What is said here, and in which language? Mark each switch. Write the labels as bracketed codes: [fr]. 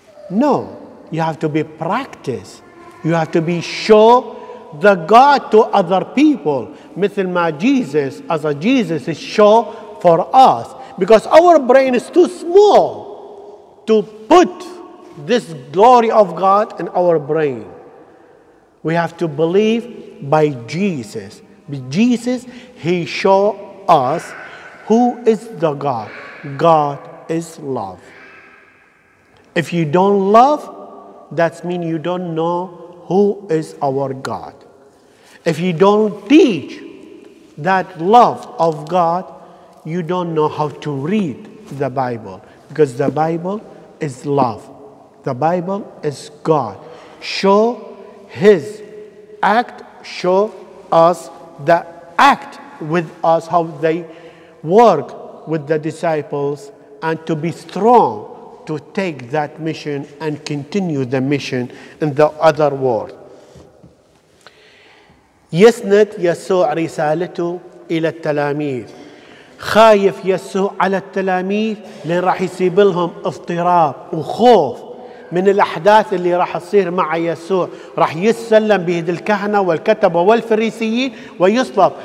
[en] no, you have to be practice, you have to be show the God to other people, [ar] مثل ما [en] Jesus, as a Jesus is show for us, because our brain is too small to put this glory of God in our brain. We have to believe by Jesus. With Jesus, he show us who is the God. God is love. If you don't love, that means you don't know who is our God. If you don't teach that love of God, you don't know how to read the Bible, because the Bible is love. The Bible is God. Show His act, show us the act with us, how they work with the disciples, and to be strong to take that mission and continue the mission in the other world. [ar] يسند يسوع رسالته إلى التلاميذ. خايف يسوع على التلاميذ لأن راح يصيب لهم اضطراب وخوف من الأحداث اللي راح تصير مع يسوع، راح يسلم بيد الكهنة والكتبة والفريسيين ويصلب.